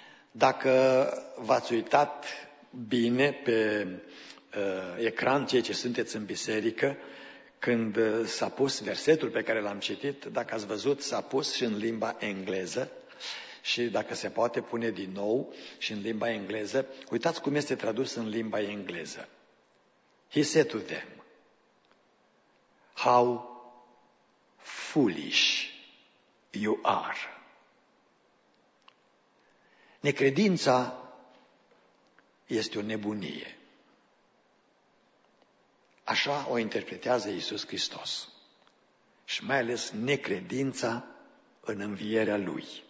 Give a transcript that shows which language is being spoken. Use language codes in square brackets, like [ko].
[ro] Dacă v-ați uitat bine pe ecran, ceea ce sunteți în biserică, când s-a pus versetul pe care l-am citit, dacă ați văzut, s-a pus și în limba engleză și dacă se poate pune din nou și în limba engleză, uitați cum este tradus în limba engleză. [en] He said to them, how foolish you are. [ro] Necredința este o nebunie. Așa o interpretează Iisus Hristos și mai ales necredința în învierea Lui.